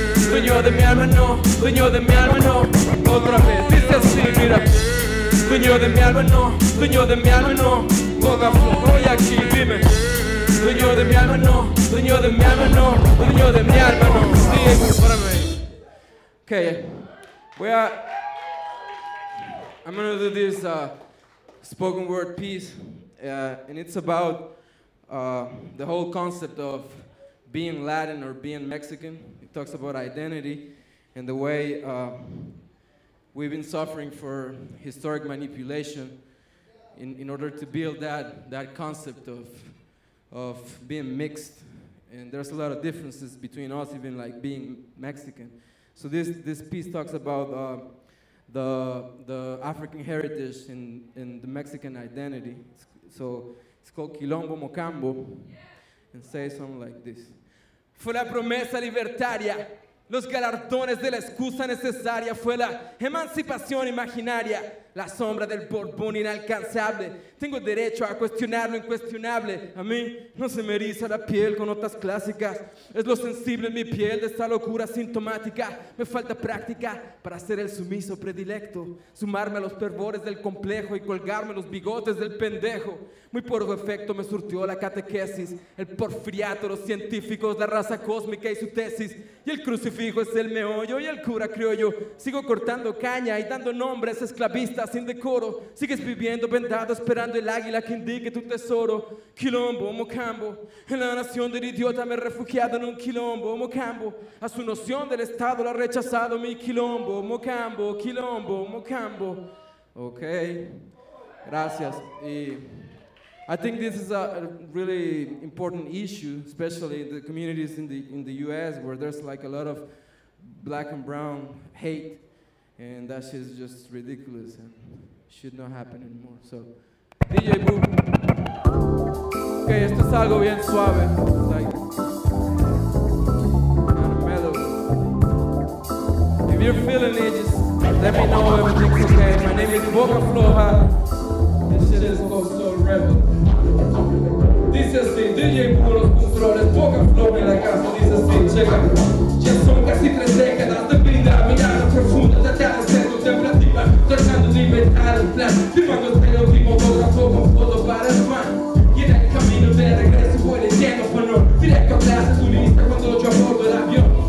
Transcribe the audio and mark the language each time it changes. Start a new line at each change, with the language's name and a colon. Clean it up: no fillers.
Spanish: Dueño de mi alma no, dueño de mi alma no. Otra vez, dice así, mira. Dueño de mi alma no, dueño de mi alma no. Boga flojo y aquí, dime. Dueño de mi alma no, dueño de mi alma no. Dueño de mi alma no, sigue sí, para mí. Ok, voy a...
English: I'm gonna do this spoken word piece. And it's about the whole concept of being Latin or being Mexican. Talks about identity and the way we've been suffering for historic manipulation in order to build that concept of being mixed. And there's a lot of differences between us, even like being Mexican. So this piece talks about the African heritage in the Mexican identity. So it's called Quilombo Mocambo, and say something like this.
Spanish: Fue la promesa libertaria, los galardones de la excusa necesaria. Fue la emancipación imaginaria, La sombra del Borbón inalcanzable. Tengo el derecho a cuestionar lo incuestionable. A mí no se me eriza la piel con notas clásicas. Es lo sensible en mi piel de esta locura sintomática. Me falta práctica para ser el sumiso predilecto. Sumarme a los fervores del complejo y colgarme los bigotes del pendejo. Muy por efecto me surtió la catequesis. El porfiriato, los científicos, la raza cósmica y su tesis. Y el crucifijo es el meollo y el cura criollo. Sigo cortando caña y dando nombres esclavistas. Sin decoro, sigues viviendo vendado, esperando el águila que indique tu tesoro. Quilombo, mocambo, en la nación del idiota me he refugiado en un quilombo, mocambo. A su noción del Estado la ha rechazado mi quilombo, mocambo, quilombo, mocambo. Ok, gracias.
English: Y I think this is a really important issue, especially in the communities in the US where there's like a lot of black and brown hate. And that shit is just ridiculous and should not happen anymore. So, DJ Boo.
Spanish: Okay, esto es algo bien suave.
English: Like, kind of mellow. If you're feeling it, just let me know if everything's okay. My name is Boca Floja. This shit is called Slow Rebel.
Spanish: Dice así, DJ Boo, los controles, Boca Floja en la casa. Dice así, checa. Ya son casi tres décadas de vida, mirada profunda, tratada de ser contemplativa, tratando de inventar el plan. Firmando este último fotógrafo con foto para el fan. Y en el camino de regreso voy leyendo por no directo a clase turista cuando yo abordo el avión.